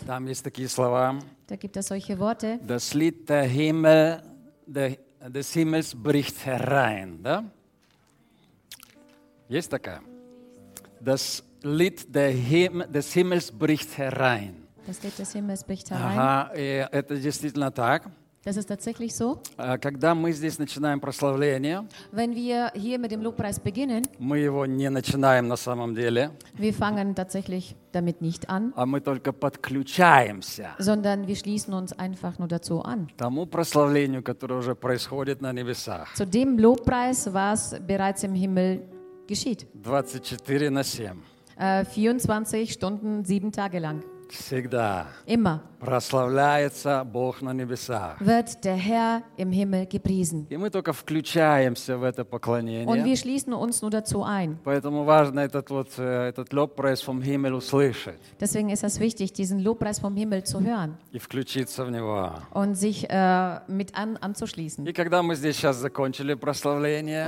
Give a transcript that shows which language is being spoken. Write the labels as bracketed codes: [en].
[ru] Там есть такие слова. [de] Da gibt es solche Worte. Das Lied der Himmel, des Himmels bricht herein, да? [ru] Есть такая? [de] Das Lied des Himmels bricht herein. Das Lied des Himmels bricht herein. [ru] Aha, это действительно так. [de] Das ist tatsächlich so. [ru] Когда мы здесь начинаем прославление, [de] wenn wir hier mit dem Lobpreis beginnen, [ru] мы его не начинаем на самом деле. [de] Wir fangen tatsächlich damit nicht an. [ru] А мы только подключаемся. [de] Sondern wir schließen uns einfach nur dazu an. [ru] Тому прославлению, которое уже происходит на небесах. [de] Zu dem Lobpreis, was bereits im Himmel geschieht. 24 Stunden, 7 Tage lang. [ru] Всегда. [de] Immer. [ru] Прославляется Бог на небесах. [de] Wird der Herr im Himmel gepriesen. [ru] И мы только включаемся в это поклонение. [de] Und wir schließen uns nur dazu ein. [ru] Поэтому важно этот Лобпреис [de] vom Himmel [ru] услышать. [de] Deswegen ist es wichtig, diesen Lobpreis vom Himmel zu hören. [ru] И включиться в него. [de] Und sich mit anzuschließen. [ru] И когда мы здесь сейчас закончили прославление.